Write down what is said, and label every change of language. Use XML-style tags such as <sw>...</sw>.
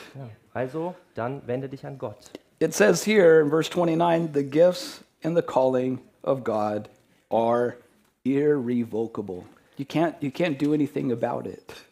<de>Ja. Also, dann wende dich an Gott.</de> <en>It says here in verse 29, the gifts and the calling of God are irrevocable. You can't do anything about it.</en>